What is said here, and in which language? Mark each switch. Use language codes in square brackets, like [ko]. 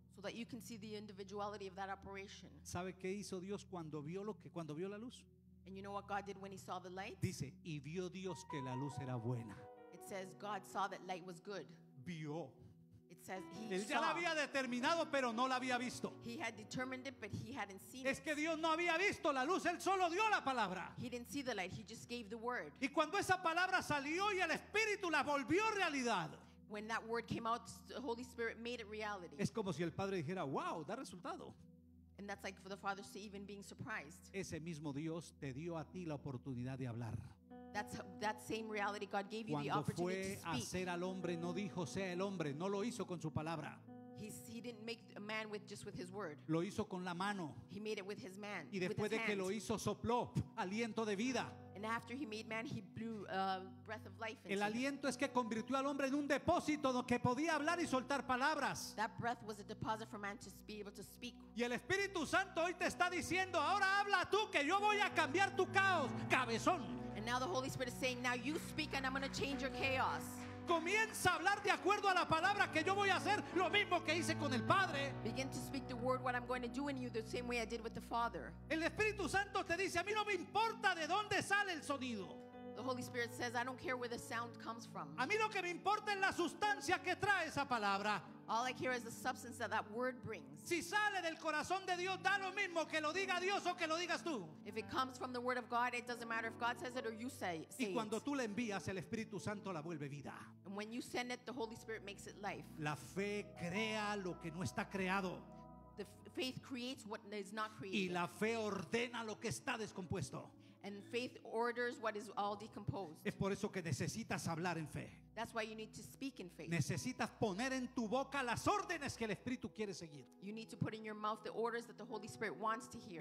[en] So that you can see the individuality of that operation. [es] ¿Sabe qué hizo Dios cuando vio la luz? [en] And you know what God did when he saw the light? [es] Dice, y vio Dios que la luz era buena. [en] It says God saw that light was good. [es] Vio. [en] It says he [es] él ya [en] saw. [es] La había determinado, pero no la había visto. [en] He had determined it, but he hadn't seen [es] es que Dios no había visto la luz, él solo dio la palabra. [en] He didn't see the light, he just gave the word. [es] Y cuando esa palabra salió y el Espíritu la volvió realidad. [en] When that word came out, the Holy Spirit made it reality. [es] Es como si el Padre dijera, wow, da resultado. [en] And that's like for the Father to even being surprised. [es] Ese mismo Dios te dio a ti la oportunidad de hablar. [en] That's that same reality God gave you [es] cuando [en] the opportunity [es] fue [en] to speak. [es] A ser al hombre, no dijo sea el hombre, no lo hizo con su palabra. [en] He didn't make a man just with his word. [es] Lo hizo con la mano. [en] He made it with his man. [es] Y después [en] with his [es] de que [en] hand. [es] Lo hizo sopló aliento de vida. [en] And after he made man, he blew a breath of life into [es] el aliento es que convirtió al hombre en un depósito que podía hablar y soltar palabras. [en] That breath was a deposit for man to be able to speak. [es] Y el Espíritu Santo hoy te está diciendo, ahora habla tú que yo voy a cambiar tu caos, cabezón. [en] And now the Holy Spirit is saying, now you speak and I'm going to change your chaos. [es] Comienza a hablar de acuerdo a la palabra que yo voy a hacer lo mismo que hice con el Padre. [en] Begin to speak the word what I'm going to do in you the same way I did with the Father. [es] El Espíritu Santo te dice, a mí no me importa de dónde sale el sonido. [en] The Holy Spirit says, I don't care where the sound comes from. [es] A mí lo que me importa es la sustancia que trae esa palabra. [en] All I care is the substance that word brings. [es] Si sale del corazón de Dios, da lo mismo que lo diga Dios o que lo digas tú. [en] If it comes from the word of God, it doesn't matter if God says it or you say it. [es] Y cuando tú la envías, el Espíritu Santo la vuelve vida. [en] And when you send it, the Holy Spirit makes it life. [es] La fe crea lo que no está creado. [en] The faith creates what is not created. [es] Y la fe ordena lo que está descompuesto. [en] And faith orders what is all decomposed. [es] Es por eso que necesitas hablar en fe. [en] That's why you need to speak in faith. [es] Necesitas poner en tu boca las órdenes que el Espíritu quiere seguir. [en] You need to put in your mouth the orders that the Holy Spirit wants to hear.